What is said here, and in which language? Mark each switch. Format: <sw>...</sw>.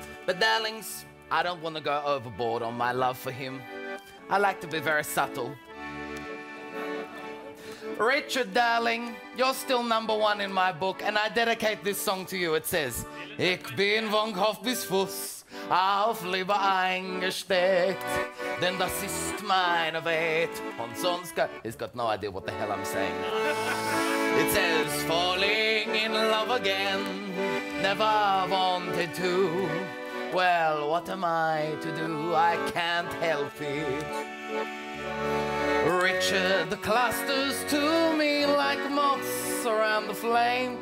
<en>But darlings, I don't want to go overboard on my love for him. I like to be very subtle. Richard, darling, you're still number one in my book, and I dedicate this song to you. It says,</en> <de>Ich bin von Kopf bis Fuß auf Liebe eingestellt, denn das ist meine Welt. Und sonst go.</de> <en>He's got no idea what the hell I'm saying. It says, falling in love again, never wanted to. Well, what am I to do? I can't help it. Richard clusters to me like moths around the flame.</en>